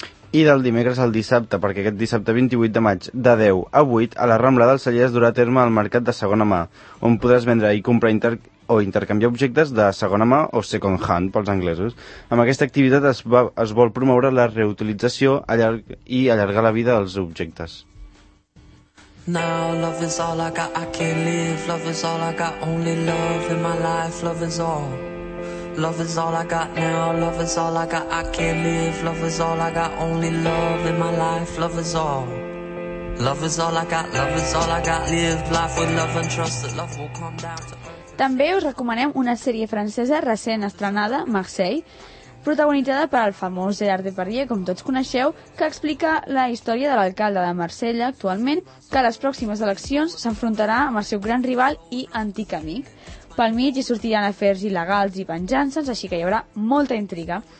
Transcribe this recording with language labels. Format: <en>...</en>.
<ca>I del dimecres al dissabte, perquè aquest dissabte 28 de maig, de 10 a 8, a la Rambla del Celler es durà a terme el mercat de segona mà, on podràs vendre i comprar intercanviar objectes de segona mà o second hand, pels anglesos. Amb aquesta activitat es vol promoure la reutilització i allargar la vida dels objectes.</ca> <en>Now love is all I got, I can't live. Love is all I got, only love in my life, love is all. Love is all I got now, love is all I got, I can't live. Love is all I got, only love in my life, love is all. Love is all I got, love is all I got, live life with love and trust that love will come down to earth.</en> <ca>També us recomanem una sèrie francesa recent estrenada, Marseille, protagonitzada per el famós Gérard Depardieu, com tots coneixeu, que explica la història de l'alcalde de Marsella actualment, que a les pròximes eleccions s'enfrontarà amb el seu gran rival i antic amic. Pel mig hi sortiran afers il·legals i venjances, així que hi haurà molta intriga.</ca>